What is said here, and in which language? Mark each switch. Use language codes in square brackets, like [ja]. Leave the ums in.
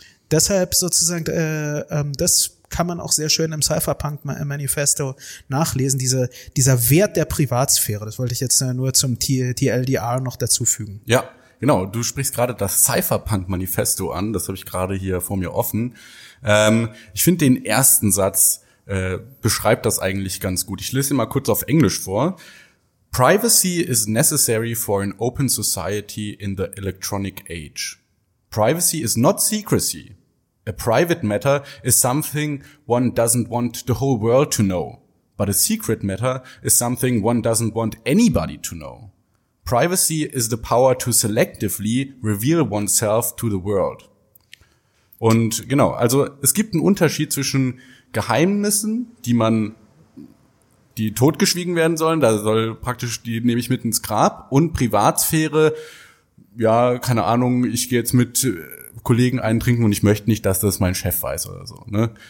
[de] deshalb sozusagen, äh, ähm, das kann man auch sehr schön im Cypherpunk Ma- Manifesto nachlesen, diese, dieser Wert der Privatsphäre. Das wollte ich jetzt äh, nur zum T- TLDR noch dazufügen. Ja, genau. Du sprichst gerade das Cypherpunk-Manifesto an. Das habe ich gerade hier vor mir offen. Ähm, ich finde den ersten Satz äh, beschreibt das eigentlich ganz gut. Ich lese ihn mal kurz auf Englisch vor. [en] Privacy is necessary for an open society in the electronic age. Privacy is not secrecy. A private matter is something one doesn't want the whole world to know. But a secret matter is something one doesn't want anybody to know. Privacy is the power to selectively reveal oneself to the world. [de] Und genau, also es gibt einen Unterschied zwischen Geheimnissen, die man, die totgeschwiegen werden sollen, da soll praktisch, die nehme ich mit ins Grab, und Privatsphäre, ja, keine Ahnung, ich gehe jetzt mit äh, Kollegen eintrinken und ich möchte nicht, dass das mein Chef weiß oder so. Ne?